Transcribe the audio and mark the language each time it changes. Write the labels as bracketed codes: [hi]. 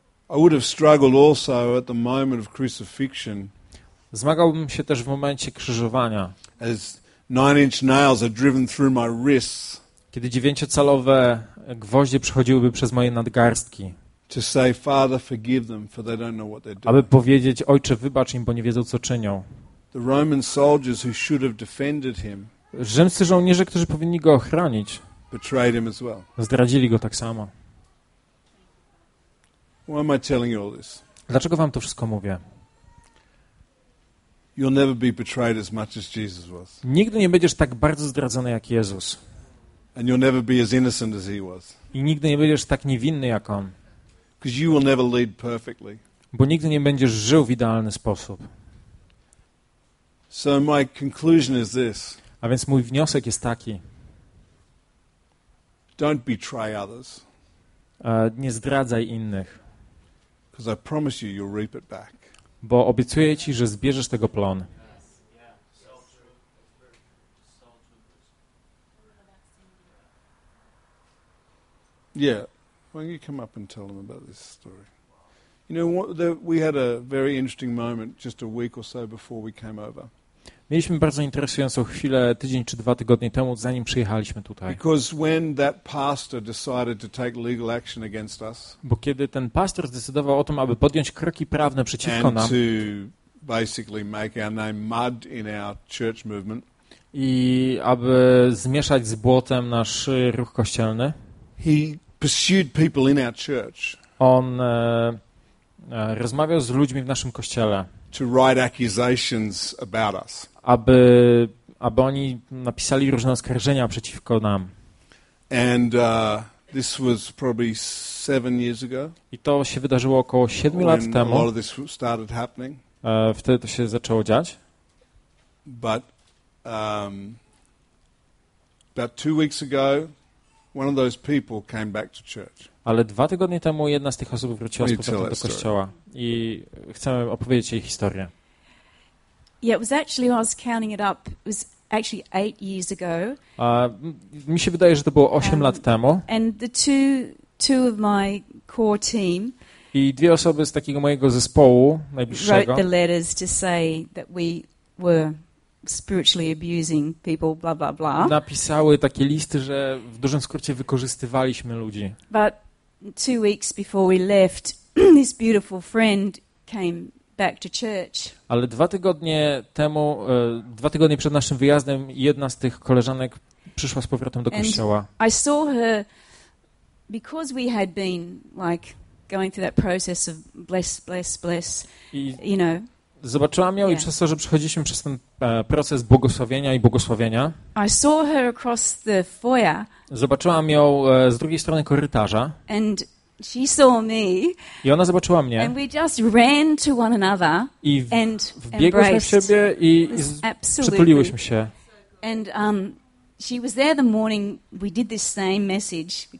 [en] I would have struggled also at the moment of crucifixion. [pl] Zmagałbym się też w momencie krzyżowania. [en] As 9-inch nails are driven through my wrists. [pl] Kiedy 9-calowe gwoździe przechodziłyby przez moje nadgarstki. [en] To say, Father, forgive them, for they don't know what they're doing. [pl] Aby powiedzieć, Ojcze, wybacz im, bo nie wiedzą, co czynią. [en] The Roman soldiers who should have defended him. [pl] Rzymscy żołnierze, którzy powinni go ochronić. [en] Betrayed him as well. [pl] Zdradzili go tak samo. [en] Why am I telling you all this? [pl] Dlaczego wam to wszystko mówię? [en] You'll never be betrayed as much as Jesus was. [pl] Nigdy nie będziesz tak bardzo zdradzony jak Jezus. [en] And you'll never be as innocent as he was. [pl] I nigdy nie będziesz tak niewinny jak on. [en] Because you will never lead perfectly. [pl] Bo nigdy nie będziesz żył w idealny sposób. [en] So my conclusion is this. [pl] A więc mój wniosek jest taki. [en] Don't betray others. [pl] Nie zdradzaj innych. [en] Because I promise you, you'll reap it back. [pl] Bo obiecuję ci, że zbierzesz tego plon. [en] Yeah, when you come up and tell them about this story. You know, we had a very interesting moment just a week or so before we came over. [pl] Mieliśmy bardzo interesującą chwilę tydzień czy dwa tygodnie temu, zanim przyjechaliśmy tutaj. [en] Because when that pastor decided to take legal action against us. [pl] Bo kiedy ten pastor zdecydował o tym, aby podjąć kroki prawne przeciwko [en] and [pl] nam. [en] To basically make our name mud in our church movement. [pl] I aby zmieszać z błotem nasz ruch kościelny. [en] He pursued people in our church. [pl] On rozmawiał z ludźmi w naszym kościele. [en] To write accusations about us. [pl] Aby oni napisali różne oskarżenia przeciwko nam. [en] And this was probably 7 years ago. [pl] I to się wydarzyło około 7 lat temu. [en] When all of this started happening. [pl] Wtedy to się zaczęło dziać. [en] But about 2 weeks ago, one of those people came back to church. [pl] Ale 2 tygodnie temu jedna z tych osób wróciła z powrotem do kościoła. I chcemy opowiedzieć jej historię. [en] Yeah, it was actually, I was counting it up, it was actually 8 years ago. [pl] Mi się wydaje, że to było 8 lat temu. [en] And the two of my core team. [pl] I dwie osoby z takiego mojego zespołu najbliższego. [en] Wrote the letters to say that we were spiritually abusing people, blah blah blah. [pl] Napisały takie listy, że w dużym skrócie wykorzystywaliśmy ludzi. [en] But 2 weeks before we left, this beautiful friend came back to church. [pl] Ale dwa tygodnie temu, dwa tygodnie przed naszym wyjazdem, jedna z tych koleżanek przyszła z powrotem do kościoła. [en] And I saw her because we had been like going through that process of bless, you know. [pl] Zobaczyłam ją i przez to, że przechodziliśmy przez ten proces błogosławienia i błogosławienia. [en] I saw her across the foyer. [pl] Zobaczyłam ją z drugiej strony korytarza. [en] And she saw me. [pl] I ona zobaczyła mnie. [en] And we just ran to one another. [pl] I wbiegłyśmy w siebie i przytuliłyśmy się. [en] And she was there the morning we did this same message.